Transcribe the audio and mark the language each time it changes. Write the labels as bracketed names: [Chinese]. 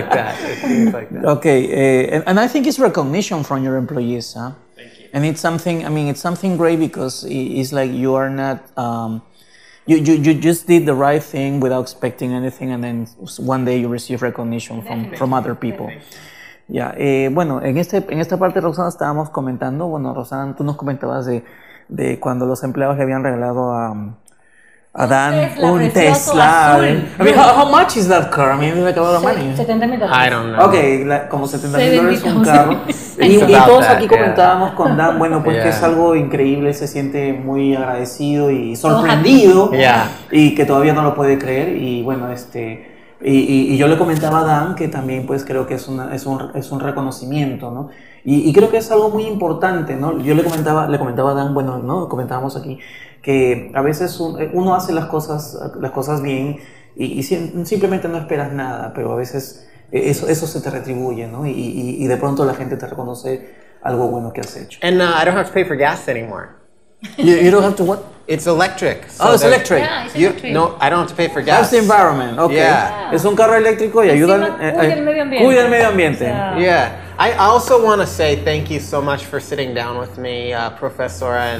[English] It seems like that. Okay, and I think it's recognition from your employees, huh? Thank you. And it's something. I mean, it's something great, because it's like you are not. You just did the right thing without expecting anything, and then one day you receive recognition from other people. [Spanish] Ya, bueno, en esta parte, Roxana, estábamos comentando, bueno, Roxana, tú nos comentabas de cuando los empleados le habían regalado a Dan un Tesla. Azul. [English] I mean, how much is that car? I mean, it's like a lot of money. I don't know. [Spanish] Okay, como $70,000 un carro. Y todos aquí comentábamos con Dan, bueno, pues que es algo increíble, se siente muy agradecido y sorprendido. [English] Yeah. [Spanish] Y que todavía no lo puede creer, y bueno, este... Y yo le comentaba a Dan que también, pues, creo que es un reconocimiento, ¿no? Y creo que es algo muy importante, ¿no? Yo le comentaba a Dan, bueno, ¿no? Comentábamos aquí que a veces uno hace las cosas bien y simplemente no esperas nada, pero a veces eso se te retribuye, ¿no? Y de pronto la gente te reconoce algo bueno que has hecho. [English] And I don't have to pay for gas anymore. You don't have to what? It's electric. So oh, it's electric. Yeah, it's electric. No, I don't have to pay for gas. That's the environment. Okay. Yeah. [Spanish] Es un carro eléctrico y ayuda cuida el medio ambiente. [English] Yeah. I also want to say thank you so much for sitting down with me, Professora.